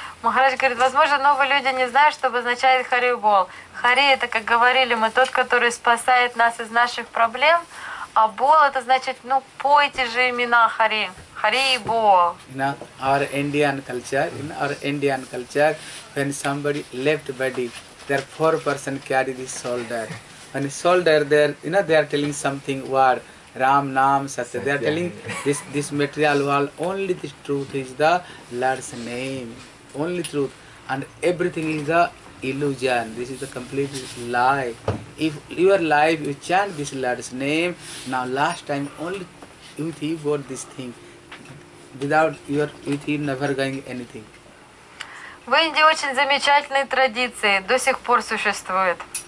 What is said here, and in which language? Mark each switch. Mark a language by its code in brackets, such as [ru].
[ru] Махарадж говорит, возможно, новые люди не знают, что обозначает Хари Бол. Хари это, как говорили мы, тот, который спасает нас из наших проблем, а Бол это значит, ну, пойте же имена Хари. [en] You know, our Indian culture, in our Indian culture, when somebody left body, there are four person carry the shoulder. When shoulder there, you know, they are telling something word, Ram, Naam, Satya. They are telling this material world, only this truth is the Lord's name. Only truth. And everything is the illusion. This is the complete lie. If your life, you chant this Lord's name, now last time only you think about this thing. Without your with him never going anything. [ru] В Индии очень замечательные традиции до сих пор существуют.